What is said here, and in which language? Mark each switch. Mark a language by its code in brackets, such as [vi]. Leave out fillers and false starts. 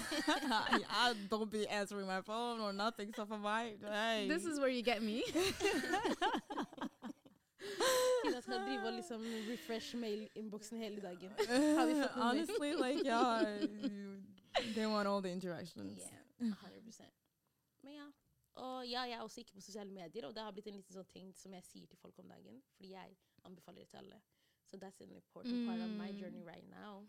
[en] I don't be answering my phone or nothing. So for my, hey. This is where you get me. [sv] Tina ska driva liksom refresh mail inboxen hela dagen. [en] Honestly, like, yeah, they want all the interactions. Yeah, 100%. [sv] Men ja, och ja, jag är också inte på sociala medier, och det har blivit en liten sån ting som jag säger till folk om dagen, för jag anbefaler det till alla. [en] So that's an important part of my journey right now.